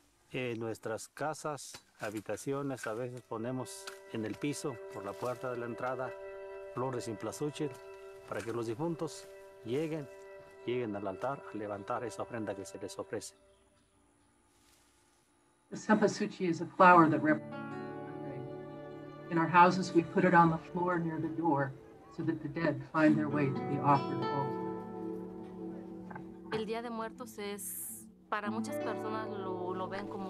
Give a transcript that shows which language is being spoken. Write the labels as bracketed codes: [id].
[es] En nuestras casas, habitaciones, a veces ponemos en el piso, por la puerta de la entrada, flores de cempasúchil para que los difuntos lleguen al altar a levantar esa ofrenda que se les ofrece. [en] The cempasúchil is a flower that in our houses we put it on the floor near the door, so that the dead find their way to the offered altar. [es] El Día de Muertos es para muchas personas lo ven